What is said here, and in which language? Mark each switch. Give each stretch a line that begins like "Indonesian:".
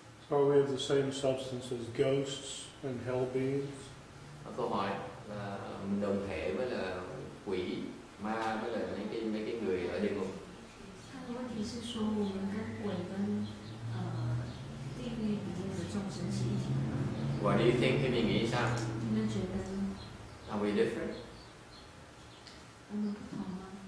English: Are we of the same substance as ghosts and hell beings?
Vietnamese: Câu hỏi là mình đồng thể với là quỷ, ma, với là mấy cái người ở địa ngục.
Chinese: 问题是说我们跟鬼跟地狱里面的众生是一体的吗？
English: Are we different?
Chinese: 我们不同吗？